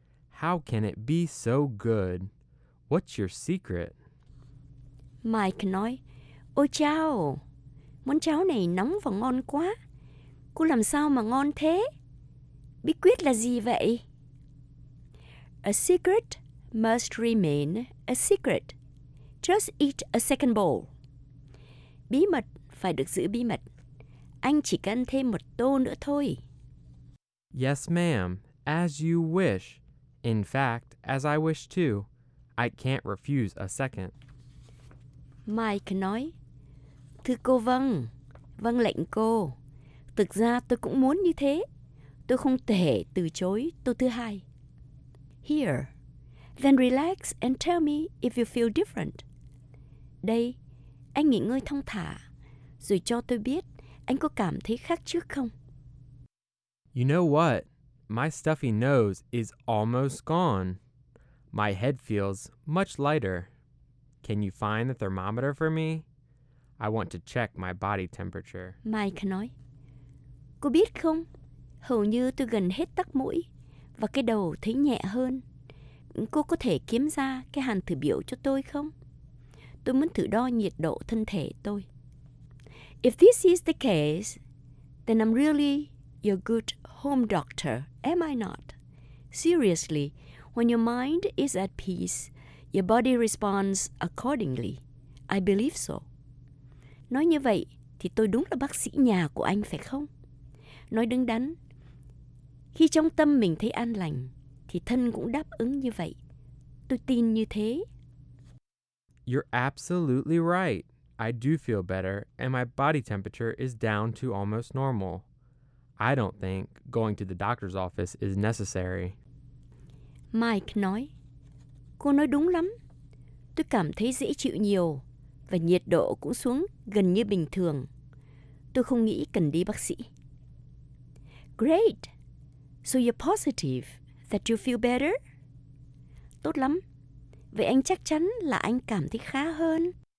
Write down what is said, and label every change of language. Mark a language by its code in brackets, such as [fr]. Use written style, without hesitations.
[en] How can it be so good? What's your secret? [vi] Mike nói, ôi chao, món cháo này nóng và ngon quá. Cô làm sao mà ngon thế? Bí quyết là gì vậy? [en] A secret must remain a secret. Just eat a second bowl. [vi] Bí mật phải được giữ bí mật. Anh chỉ cần thêm một tô nữa thôi. [en] Yes, ma'am. As you wish. In fact, as I wish too. I can't refuse a second. [vi] Mike nói, thưa cô vâng. Vâng lệnh cô. Thực ra tôi cũng muốn như thế. Tôi không thể từ chối tô thứ hai. [en] Here. Then relax and tell me if you feel different. [vi] Đây. Anh nghỉ ngơi thong thả, rồi cho tôi biết anh có cảm thấy khác trước không? [en] You know what? My stuffy nose is almost gone. My head feels much lighter. Can you find the thermometer for me? I want to check my body temperature. [vi] Mike nói, cô biết không? Hầu như tôi gần hết tắc mũi và cái đầu thấy nhẹ hơn. cô có thể kiếm ra cái hàn thử biểu cho tôi không? Tôi muốn thử đo nhiệt độ thân thể tôi. [en] If this is the case, then I'm really your good home doctor, am I not? Seriously, when your mind is at peace, your body responds accordingly. I believe so. [vi] Nói như vậy thì tôi đúng là bác sĩ nhà của anh phải không? Nói đứng đắn, khi trong tâm mình thấy an lành, thì thân cũng đáp ứng như vậy. Tôi tin như thế. [en] You're absolutely right. I do feel better, and my body temperature is down to almost normal. I don't think going to the doctor's office is necessary. [vi] Mike nói, cô nói đúng lắm. Tôi cảm thấy dễ chịu nhiều, và nhiệt độ cũng xuống gần như bình thường. Tôi không nghĩ cần đi bác sĩ. [en] Great! So you're positive that you feel better? [vi] Tốt lắm. Vậy anh chắc chắn là anh cảm thấy khá hơn.